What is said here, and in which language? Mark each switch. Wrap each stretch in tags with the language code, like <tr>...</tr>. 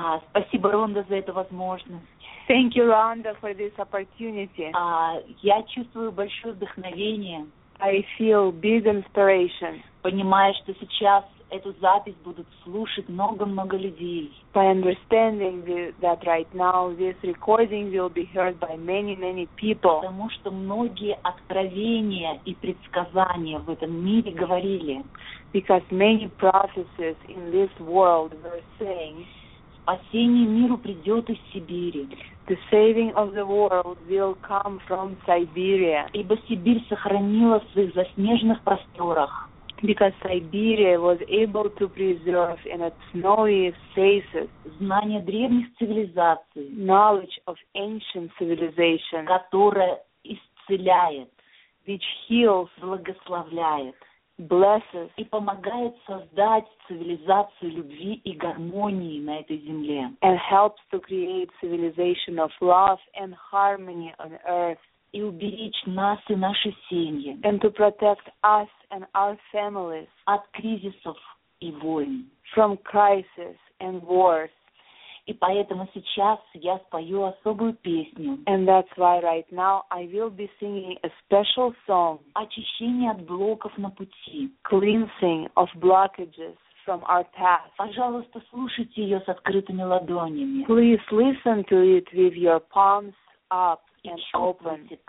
<ru>Спасибо, Ронда, за эту возможность.</ru> <en>Thank you, Ronda, for this opportunity.</en> <ru>Я чувствую большое вдохновение.</ru> <en>I feel big inspiration.</en> <ru>Понимая, что сейчас эту запись будут слушать много-много людей.</ru> <en>By understanding that right now this recording will be heard by many people.</en> <ru>Потому что многие откровения и предсказания в этом мире говорили.</ru> <en>Because many prophecies in this world were saying.</en> <ru>Спасение миру придет из Сибири.</ru> <en>The saving of the world will come from Siberia.</en> <ru>Ибо Сибирь сохранила в своих заснеженных просторах.</ru> <en>Because Siberia was able to preserve in its snowy spaces</en> <ru>знания древних цивилизаций,</ru> <en>knowledge of ancient civilization,</en> <ru>которая исцеляет,</ru> <en>which heals,</en> <ru>благословляет,</ru> <en>blesses,</en> <ru>и помогает создать цивилизацию любви и гармонии на этой земле,</ru> <en>and helps to create civilization of love and harmony on earth,</en> <ru>и уберечь нас и наши семьи,</ru> <en>and to protect us and our families</en> <ru>от кризисов и войн,</ru> <en>from crisis and wars.</en> <ru>И поэтому сейчас я спою особую песню.</ru> <en>And that's why right now I will be singing a special song.</en> <ru>Очищение от блоков на пути.</ru> <en>Cleansing of blockages from our path.</en> <ru>Пожалуйста, слушайте ее с открытыми ладонями.</ru> <en>Please listen to it with your palms up and open.</en>